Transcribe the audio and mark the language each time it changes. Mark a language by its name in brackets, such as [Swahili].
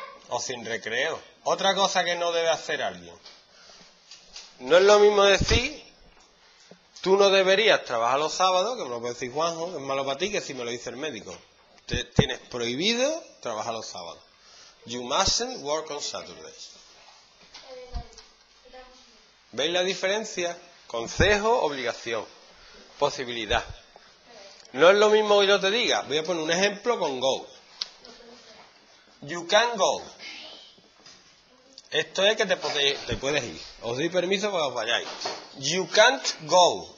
[Spanish] O sin recreo. Otra cosa que no debe hacer alguien. No es lo mismo decir... Tú no deberías trabajar los sábados, que me lo puede decir Juanjo, es malo para ti que si me lo dice el médico. Tienes prohibido trabajar los sábados. [English] You mustn't work on Saturdays. [Spanish] ¿Veis la diferencia? Consejo, obligación, posibilidad. No es lo mismo que yo te diga. Voy a poner un ejemplo con go. [English] You can go. [Spanish] Esto es que te puedes ir. Os doy permiso para que os vayáis. [English] You can't go.